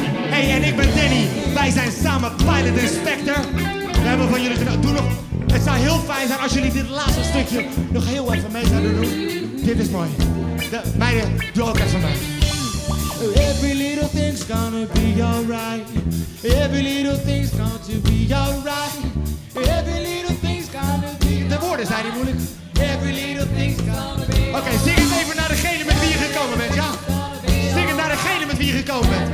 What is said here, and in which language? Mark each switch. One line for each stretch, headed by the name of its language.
Dutch: Hey, en ik ben Danny. Wij zijn samen Pilot Inspector. We hebben van jullie doe nog. Het zou heel fijn zijn als jullie dit laatste stukje nog heel even mee zouden doen. Dit is mooi. Meiden, doe ook eens van mij.
English: Every little thing's gonna be alright. Every little thing's gonna be alright. Every little thing's gonna be.
Dutch: De woorden zijn niet moeilijk.
English: Every little thing's gonna be.
Dutch: Oké, zing het even naar degene met wie je gekomen bent, ja? Zing het naar degene met wie je gekomen bent.